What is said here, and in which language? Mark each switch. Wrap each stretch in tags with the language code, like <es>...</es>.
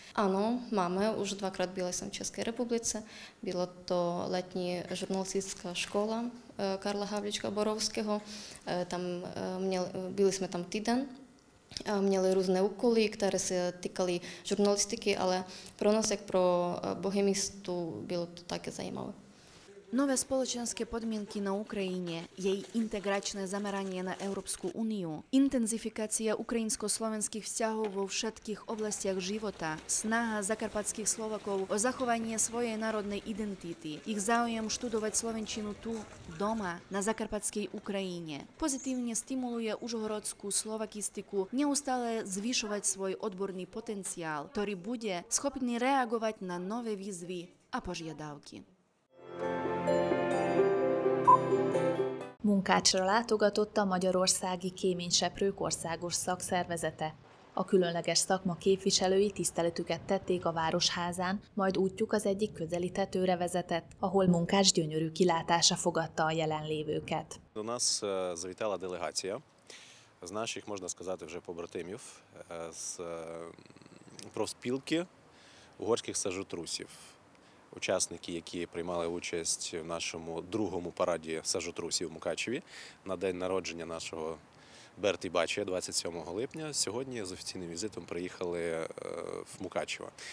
<cs>Ano, máme, už dvakrát byla jsem v České republice, byla to letní žurnalistická škola Karla Havlička Borovského, tam byli jsme tam týden, měli různé úkoly, které se týkaly žurnalistiky, ale pro nás, jak pro bohemistu, bylo to také zajímavé.</cs> <sk>Nové spoločenské podmienky na Ukrajine, jej integračné zameranie na Európsku úniu, intenzifikácia ukrajinsko-slovenských vzťahov vo všetkých oblastiach života, snaha zakarpatských Slovakov o zachovanie svojej národnej identity, ich záujem študovať slovenčinu tu, doma, na zakarpatskej Ukrajine, pozitívne stimuluje užhorodskú slovakistiku neustále zvyšovať svoj odborný potenciál, ktorý bude schopný reagovať na nové výzvy a požiadavky.</sk> <hu>Munkácsra látogatott a Magyarországi Kéményseprők Országos Szakszervezete. A különleges szakma képviselői tiszteletüket tették a Városházán, majd útjuk az egyik közeli tetőre vezetett, ahol munkás gyönyörű kilátása fogadta a jelenlévőket.</hu> <uk>До нас завітала делегація з наших, можна сказати, вже побратимів, з профспілки угорських сажутрусів. Учасники, які приймали участь в нашому другому параді сажутрусів в Мукачеві на день народження нашого Берти Бача 27 липня, сьогодні з офіційним візитом приїхали в Мукачево.</uk>